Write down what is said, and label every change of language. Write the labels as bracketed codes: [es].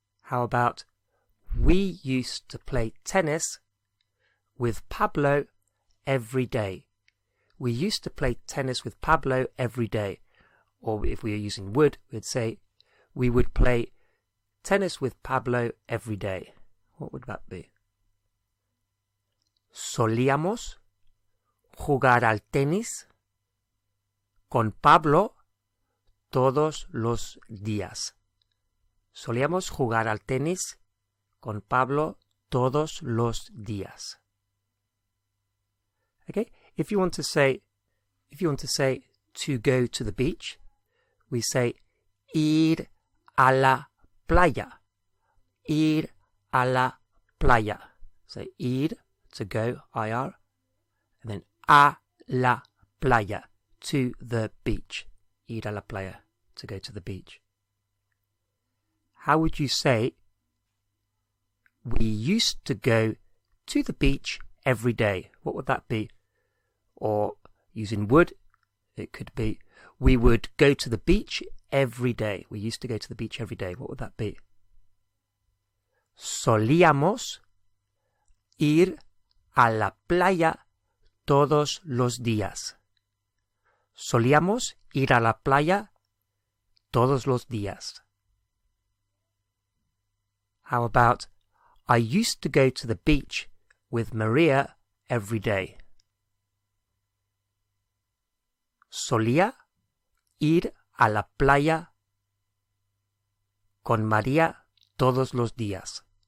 [en] How about we used to play tennis with Pablo every day? We used to play tennis with Pablo every day. Or if we are using would, we'd say we would play tennis with Pablo every day. What would that be? [es] Solíamos jugar al tenis con Pablo todos los días. Solíamos jugar al tenis con Pablo todos los días. [en] Okay? If you want to say to go to the beach, we say [es] ir a la playa. Ir a la playa. [en] So ir, to go, IR, and then [es] a la playa, [en] to the beach. [es] Ir a la playa, [en] to go to the beach. How would you say we used to go to the beach every day? What would that be? Or using would, it could be we would go to the beach every day. We used to go to the beach every day. What would that be? [es] Solíamos ir a la playa todos los días. Solíamos ir a la playa todos los días. [en] How about I used to go to the beach with Maria every day? [es] Solía ir a la playa con María todos los días.